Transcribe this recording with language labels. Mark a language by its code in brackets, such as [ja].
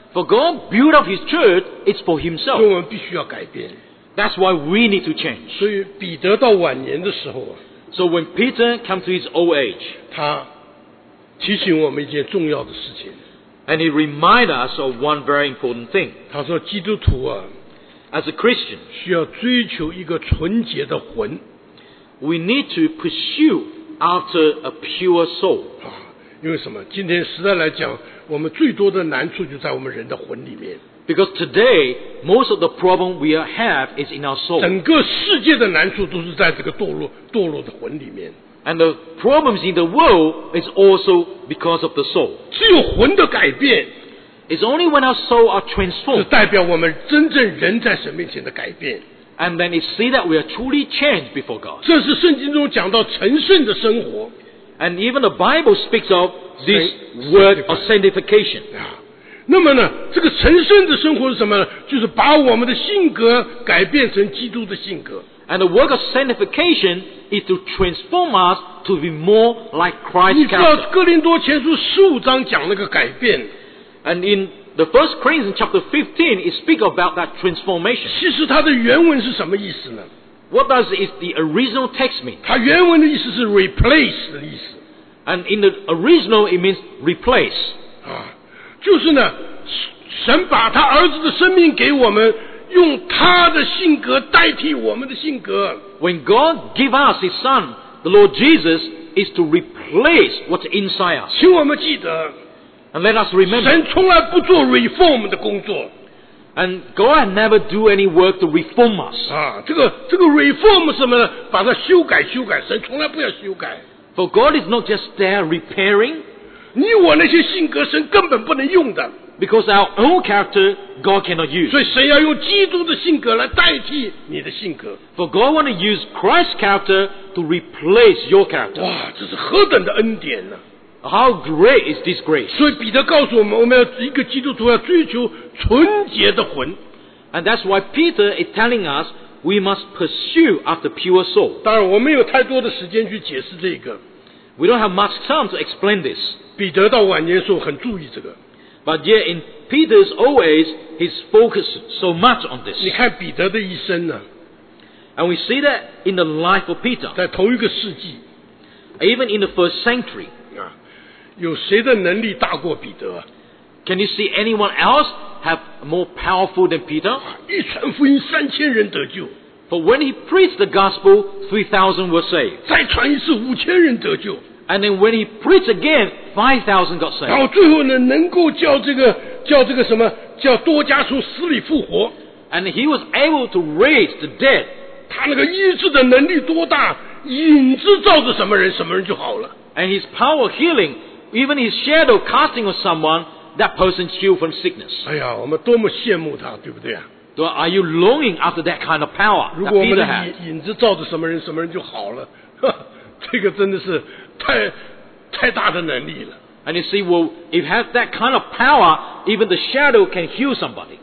[en] For God built up His church, it's for Himself. [zh] 所以我们必须要改变。 [en] That's why we need to change. [zh] 所以彼得到晚年的时候啊。 [en] So when Peter comes to his old age, [zh] 他提醒我们一件重要的事情。 [en] And he reminds us of one very important thing. [zh] 他说基督徒啊。 [en] As a Christian, [zh] 需要追求一个纯洁的魂。 [en] We need to pursue after a pure soul. [zh] 因为什么？今天实在来讲，我们最多的难处就在我们人的魂里面。 [en] Because today, most of the problem we have is in our soul. [zh] 整个世界的难处都是在这个堕落的魂里面。 [en] And the problems in the world is also because of the soul. [zh] 只有魂的改变。 [en] It's only when our soul are transformed. [zh] 是代表我们真正人在神面前的改变。 [en] And then it see that we are truly changed before God. [zh] 这是圣经中讲到成圣的生活。 [en] And even the Bible speaks of this word of sanctification. [zh] 那么呢，这个成圣的生活是什么呢？就是把我们的性格改变成基督的性格。 [en] And the work of sanctification is to transform us to be more like Christ. [zh] 你知道哥林多前书十五章讲那个改变。 [en] And in the First Corinthians chapter 15, it speaks about that transformation. [zh] 其实它的原文是什么意思呢？ [en] What does is the original text mean? [zh] 它原文的意思是 replace 的意思。 [en] And in the original, it means replace. [zh] 就是呢，神把他儿子的生命给我们，用他的性格代替我们的性格。 [en] When God gives us His Son, the Lord Jesus is to replace what's inside us. [zh] 请我们记得。 [en] And let us remember, [zh] 神从来不做 reform 的工作。 [en] And God never do any work to reform us. [zh] 这个 reform 什么呢？把它修改修改，神从来不要修改。 [en] For God is not just there repairing. [zh] 你我那些性格，神根本不能用的。 [en] Because our own character, God cannot use. [zh] 所以神要用基督的性格来代替你的性格。 [en] For God want to use Christ's character to replace your character. [zh] 哇，这是何等的恩典呢！ [en] How great is this grace? [zh] 所以彼得告诉我们，我们要一个基督徒要追求纯洁的魂。 [en] And that's why Peter is telling us we must pursue after pure soul. [zh] 当然，我没有太多的时间去解释这个。 [en] We don't have much time to explain this. [zh] 彼得到晚年的时候很注意这个。 [en] But yet in Peter's old age, he's focused so much on this. [zh] 你看彼得的一生呢 [en] ？And we see that in the life of Peter. [zh] 在同一个世纪 [en] ，even in the first century. [zh] 有谁的能力大过彼得 [en] ？Can you see anyone else have more powerful than Peter？ [zh] 一传福音三千人得救。 [en] For when he preached the gospel, 3,000 were saved. [zh] 再传一次五千人得救。 [en] And then when he preached again, 5,000 got saved. [zh] 然后最后呢，能够叫这个什么叫多加从死里复活。 [en] And he was able to raise the dead. [zh] 他那个医治的能力多大，影子照着什么人就好了。 [en] And his power healing, even his shadow casting on someone, that person healed from sickness. [zh] 哎呀，我们多么羡慕他，对不对啊？ [en] So are you longing after that kind of power? [zh] 如果我们的影子照着什么人就好了，这个真的是太大的能力了。 [en] And you see, well, if you have that kind of power, even the shadow can heal somebody.